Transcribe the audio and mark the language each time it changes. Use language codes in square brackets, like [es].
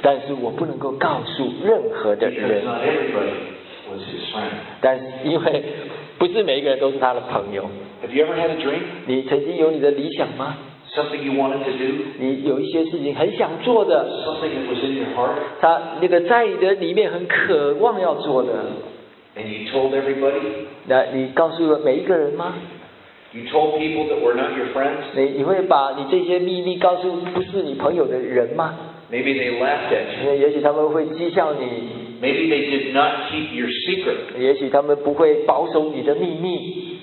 [zh] 但是我不能够告诉任何的人 [en] Because not everybody was his friend. [zh] 但是因为不是每一个人都是他的朋友 [en] Have you ever had a dream? [zh] 你曾经有你的理想吗 [en] Something you wanted to do? [zh] 你有一些事情很想做的 [en] Something that was in your heart? [zh] 他那个在你的里面很渴望要做的 [en] And you told everybody? [zh] 那你告诉了每一个人吗 [en] You told people that were not your friends? [zh] 你会把你这些秘密告诉不是你朋友的人吗 [en] Maybe they laughed at you. [zh] 也许他们会讥笑你 [en] Maybe they did not keep your secret. [zh] 也许他们不会保守你的秘密